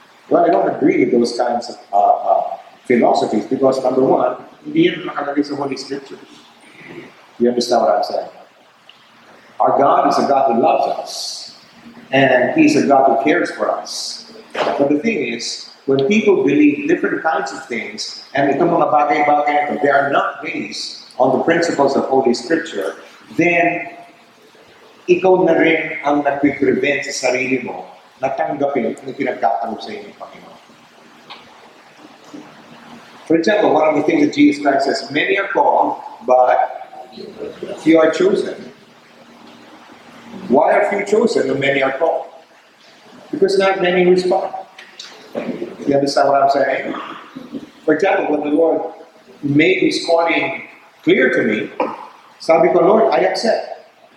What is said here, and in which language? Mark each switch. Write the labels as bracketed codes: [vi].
[en] Well, I don't agree with those kinds of philosophies because, number one, [tl] hindi yan makalagay sa Holy Scriptures. [en] You understand what I'm saying? Our God is a God who loves us, and He's a God who cares for us. But the thing is, when people believe different kinds of things, and [tl] itong mga bagay-bagay, [en] they are not based on the principles of Holy Scripture, then [tl] ikaw na rin ang nagpre-prevent sa sarili mo na tanggapin ang pinagtatanggap sa inyong Panginoon. [en] For example, one of the things that Jesus Christ says, many are called, but few are chosen. Why are few chosen and many are called? Because not many respond. You understand what I'm saying? For example, when the Lord made his calling clear to me, [tl] sabi ko, [en] Lord, I accept.